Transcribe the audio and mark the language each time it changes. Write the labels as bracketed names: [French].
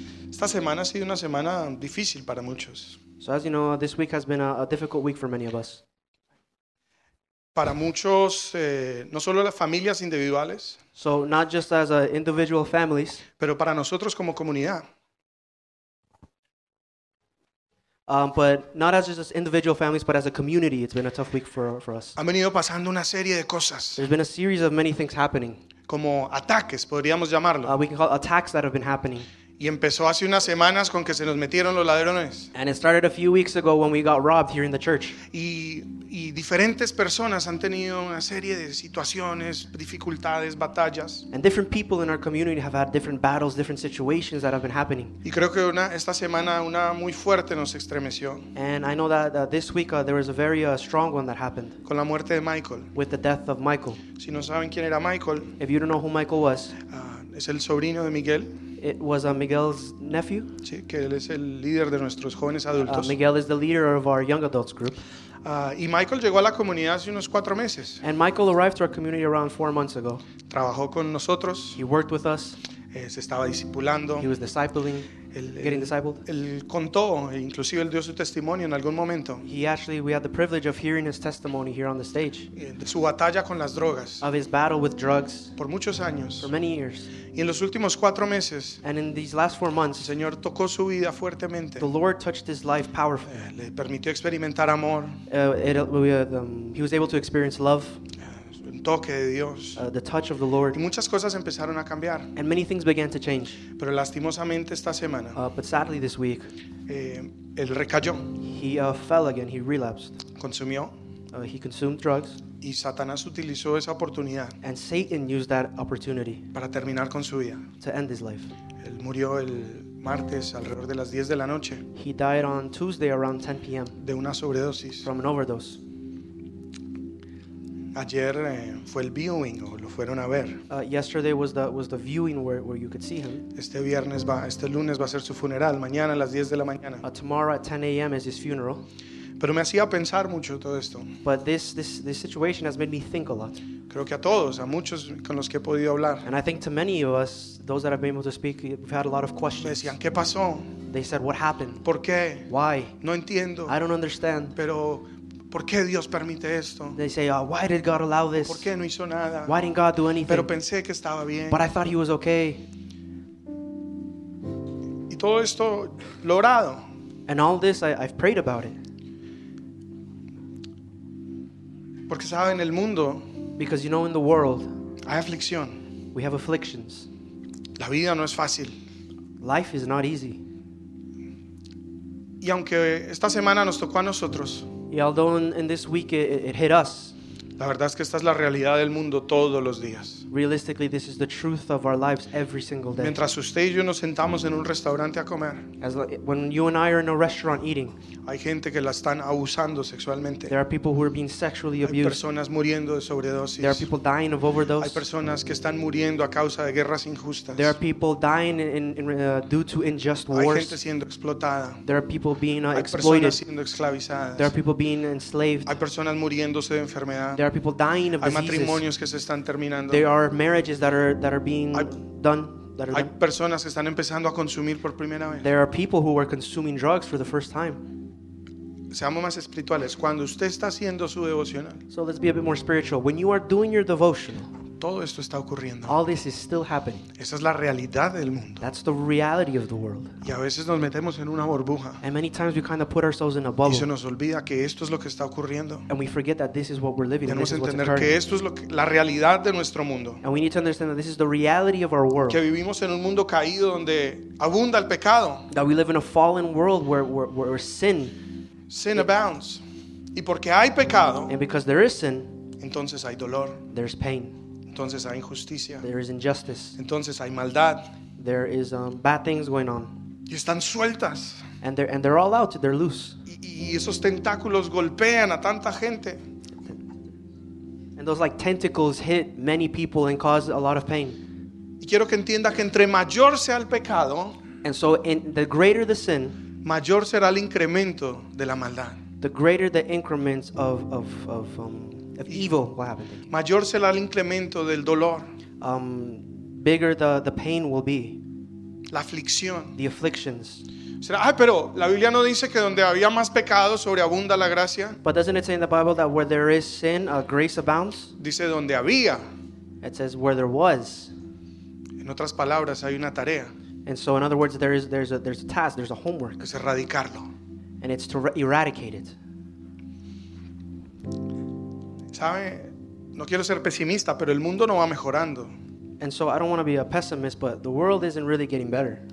[Spanish] Esta semana ha sido una semana difícil para muchos. [English] So as you know, this week has been a difficult week for many of us. [Spanish] Para muchos, no solo las familias individuales, [English] so not just as individual families, [Spanish] pero para nosotros como comunidad. [English] But not as just as individual families, but as a community, it's been a tough week for us. [Spanish] Han venido pasando una serie de cosas. [English] There's been a series of many things happening. [Spanish] Como ataques, podríamos llamarlo. [English] We can call attacks that have been happening. [Spanish] Y empezó hace unas semanas con que se nos metieron los ladrones. [English] And it started a few weeks ago when we got robbed here in the church. [Spanish] Y diferentes personas han tenido una serie de situaciones, dificultades, batallas. [English] And different people in our community have had different battles, different situations that have been happening. [Spanish] Y creo que esta semana una muy fuerte nos estremeció. [English] And I know that this week there was a very strong one that happened. [Spanish] Con la muerte de Michael. [English] With the death of Michael. [Spanish] Si no saben quién era Michael. [English] If you don't know who Michael was. [Spanish] Es el sobrino de Miguel. [English] It was Miguel's nephew. [Spanish] Sí, que él es el líder de nuestros jóvenes adultos. [English] Miguel is the leader of our young adults group. [Spanish] Y Michael llegó a la comunidad hace unos 4 meses. [English] And Michael arrived to our community around 4 months ago. [Spanish] Trabajó con nosotros. [English] He worked with us. [Spanish] Se estaba discipulando. [English] He was discipling, getting discipled. [Spanish] Él contó, inclusive él dio su testimonio en algún momento. [English] We had the privilege of hearing his testimony here on the stage. [Spanish] De su batalla con las drogas. [English] Of his battle with drugs. [Spanish] Por muchos años. [English] For many years. [Spanish] Y en los últimos 4 meses. [English] And in these last 4 months. [Spanish] El Señor tocó su vida fuertemente. [English] The Lord touched his life powerfully. [Spanish] Le permitió experimentar amor. [English] He was able to experience love. [Spanish] Toque de Dios. [English] The touch of the Lord. [Spanish] Y muchas cosas empezaron a cambiar. [English] And many things began to change. [Spanish] Pero lastimosamente esta semana. [English] But sadly this week. [Spanish] Él recayó. [English] He fell again. He relapsed. [Spanish] Consumió. [English] He consumed drugs. [Spanish] Y Satanás utilizó esa oportunidad. [English] And Satan used that opportunity. [Spanish] Para terminar con su vida. [English] To end his life. [Spanish] Él murió el martes alrededor de las 10 de la noche. [English] He died on Tuesday around 10 p.m. [Spanish] De una sobredosis. [English] From an overdose. [Spanish] Ayer fue el viewing o lo fueron a ver. [English] Yesterday was the viewing where you could see him. [Spanish] Este lunes va a ser su funeral, mañana a las 10 de la mañana. [English] Tomorrow at 10 a.m. is his funeral. [Spanish] Pero me hacía pensar mucho todo esto. [English] But this situation has made me think a lot. [Spanish] Creo que a todos, a muchos con los que he podido hablar. [English] And I think to many of us, those that I've been able to speak, we've had a lot of questions. [Spanish] Me decían, ¿qué pasó? [English] They said, what happened? [Spanish] ¿Por qué? [English] Why? [Spanish] No entiendo. [English] I don't understand. [Spanish] Pero ¿por qué Dios permite esto? [English] They say, oh, why did God allow this? [Spanish] ¿Por qué no hizo nada? [English] Why didn't God do anything? [Spanish] Pero pensé que estaba bien. [English] But I thought he was okay. [Spanish] Y todo esto lo he orado. [English] And all this, I've prayed about it. [Spanish] Porque saben, en el mundo, [English] because you know, in the world, [Spanish] hay aflicción. [English] We have afflictions. [Spanish] La vida no es fácil. [English] Life is not easy. [Spanish] Y aunque esta semana nos tocó a nosotros, [English] yeah, although in this week it hit us. [Spanish] La verdad es que esta es la realidad del mundo todos los días. [English] Realistically, this is the truth of our lives every single day. [Spanish] Mientras usted y yo nos sentamos en un restaurante a comer, [English] as when you and I are in a restaurant eating, [Spanish] hay gente que la están abusando sexualmente. [English] There are people who are being sexually abused. [Spanish] Hay personas muriendo de sobredosis. [English] There are people dying of overdose. [Spanish] Hay personas que están muriendo a causa de guerras injustas. [English] There are people dying due to unjust wars. [Spanish] Hay gente siendo explotada. [English] There are people being exploited. [Spanish] Hay personas siendo esclavizadas. [English] There are people being enslaved. [Spanish] Hay personas muriéndose de enfermedad. [English] There are people dying of diseases. [Spanish] Hay matrimonios que se están terminando. [English] There are marriages that are being done. [Spanish] Hay personas que están empezando a consumir por primera vez. [English] There are people who are consuming drugs for the first time. [Spanish] Seamos más espirituales. Cuando usted está haciendo su devocional. [English] So let's be a bit more spiritual. When you are doing your devotional. [Spanish] Todo esto está ocurriendo. [English] All this is still happening. [Spanish] Esa es la realidad del mundo. [English] That's the reality of the world. [Spanish] Y a veces nos metemos en una burbuja. [English] And many times we kind of put ourselves in a bubble. [Spanish] Y se nos olvida que esto es lo que está ocurriendo. [English] And we forget that this is what we're living. [Spanish] Tenemos que entender que esto es la realidad de nuestro mundo. [English] And we need to understand that this is the reality of our world. [Spanish] Que vivimos en un mundo caído donde abunda el pecado. [English] That we live in a fallen world where sin abounds. [Spanish] Y porque hay pecado. [English] And because there is sin. [Spanish] Entonces hay dolor. [English] There's pain. [Spanish] Entonces hay injusticia. [English] There is injustice. [Spanish] Entonces hay maldad. [English] There is bad things going on. [Spanish] Y están sueltas. [English] And they're all out. They're loose. [Spanish] Y esos tentáculos golpean a tanta gente. [English] And those like tentacles hit many people and cause a lot of pain. [Spanish] Y quiero que entienda que entre mayor sea el pecado. [English] And so in the greater the sin. [Spanish] Mayor será el incremento de la maldad. [English] The greater the increments of evil will happen. [Spanish] Mayor será el incremento del dolor. [English] Bigger the pain will be. [Spanish] La aflicción. [English] The afflictions. [Spanish] ¿Será? Ay, pero la Biblia no dice que donde había más pecado sobreabunda la gracia. [English] But doesn't it say in the Bible that where there is sin, grace abounds? [Spanish] Dice donde había. [English] It says where there was. [Spanish] En otras palabras, hay una tarea. [English] And so, in other words, there's a task, there's a homework. [Spanish] Es erradicarlo. [English] And it's to eradicate it. [Spanish] ¿Sabe? No quiero ser pesimista, pero el mundo no va mejorando. [English] And so I don't want to be a pessimist, but the world isn't really getting better.